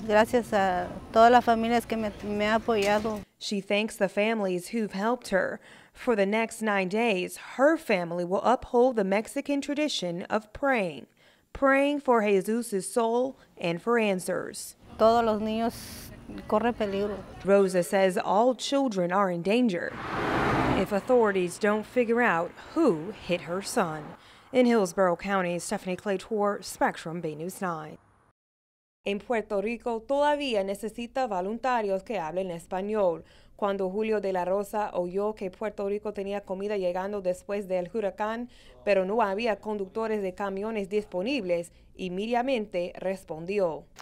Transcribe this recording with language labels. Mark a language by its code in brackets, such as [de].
[es] Gracias a todas las familias que me ha apoyado. [en] She thanks the families who've helped her. For the next 9 days, her family will uphold the Mexican tradition of praying. Praying for Jesus' soul and for answers. [es] Todos los niños corre peligro. [en] Rosa says all children are in danger if authorities don't figure out who hit her son. In Hillsborough County, Stephanie Claytor, Spectrum B News 9. [es] En Puerto Rico todavía necesita voluntarios que hablen español. Cuando Julio de la Rosa oyó que Puerto Rico tenía comida llegando después del huracán, pero no había conductores de camiones disponibles, inmediatamente respondió.